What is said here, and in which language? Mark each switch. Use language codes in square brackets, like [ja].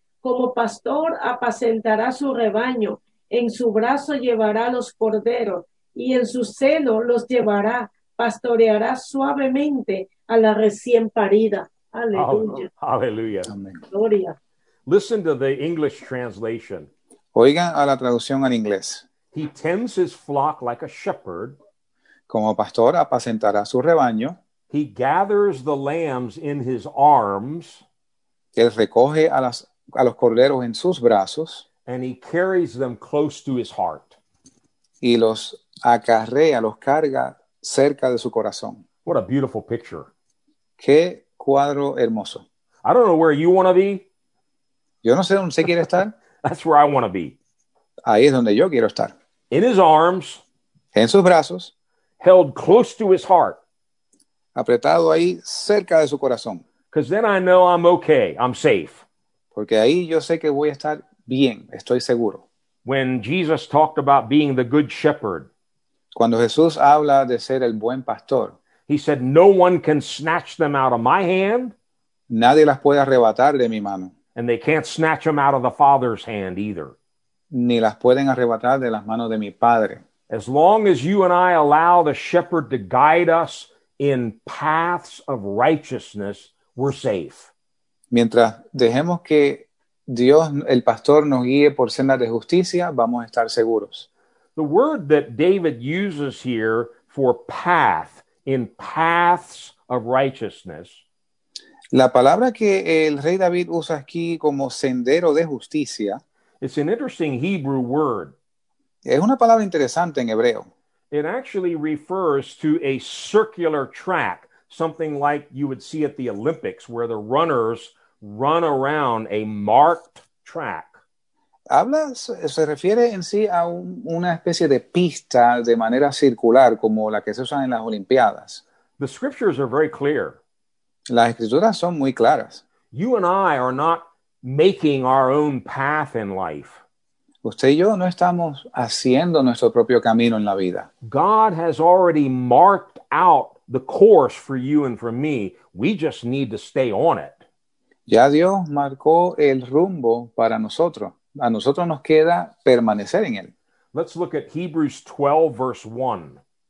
[es] Como pastor apacentará su rebaño, en su brazo llevará los corderos y en su seno los llevará, pastoreará suavemente a la recién parida. Aleluya. Aleluya. Amén. Gloria. [en] Listen to the English translation. [es] Oigan a la traducción en inglés. [en] He tends his flock like a shepherd. [es] Como pastor apacentará su rebaño. [en] He gathers the lambs in his arms. [es] Él recoge a los corderos en sus brazos. [en] And he carries them close to his heart. [es] Y los acarrea, los carga cerca de su corazón. [en] What a beautiful picture. [es] Qué cuadro hermoso. [en] I don't know where you want to be. [es] Yo no sé dónde se quiere estar. [en] That's where I want to be. [es] Ahí es donde yo quiero estar. [en] In his arms. [es] En sus brazos. [en] Held close to his heart. [es] Apretado ahí cerca de su corazón. [en] Because then I know I'm okay. I'm safe. [es] Porque ahí yo sé que voy a estar bien. Estoy seguro. [en] When Jesus talked about being the good shepherd. [es] Cuando Jesús habla de ser el buen pastor. [en] He said, no one can snatch them out of my hand. [es] Nadie las puede arrebatar de mi mano. [en] And they can't snatch them out of the Father's hand either. [es] Ni las pueden arrebatar de las manos de mi Padre. [en] As long as you and I allow the shepherd to guide us in paths of righteousness, we're safe. [es] Mientras dejemos que Dios, el pastor, nos guíe por sendas de justicia, vamos a estar seguros. [en] The word that David uses here for path, in paths of righteousness, [es] la palabra que el rey David usa aquí como sendero de justicia, [en] it's an interesting Hebrew word. [es] Es una palabra interesante en hebreo. [en] It actually refers to a circular track, something like you would see at the Olympics, where the runners run around a marked track. [es] Se refiere en sí a una especie de pista de manera circular, como la que se usa en las Olimpiadas. [en] The scriptures are very clear. [es] Las escrituras son muy claras. [en] You and I are not making our own path in life. [es] Usted y yo no estamos haciendo nuestro propio camino en la vida. [en] God has already marked out the course for you and for me. We just need to stay on it. [es] Ya Dios marcó el rumbo para nosotros. A nosotros nos queda permanecer en él. [en] Let's look at Hebrews 12, verse 1.